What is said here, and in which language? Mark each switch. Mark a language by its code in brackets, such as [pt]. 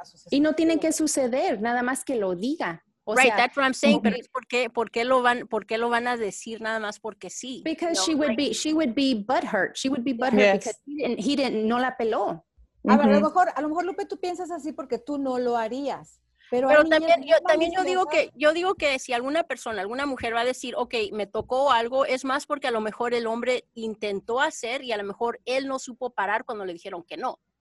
[es] y no tiene que suceder, nada más que lo diga. O right, sea, [en] that's what I'm saying, [es] pero es ¿por qué lo van a decir nada más porque sí? [en] Because she would be butthurt yes. Because he didn't, [es] no la peló. A lo mejor Lupe, tú piensas así porque tú no lo harías. Pero también digo que si alguna persona, alguna mujer va a decir, okay, me tocó algo, es más porque a lo mejor el hombre intentó hacer y a lo mejor él no supo parar cuando le dijeron que no.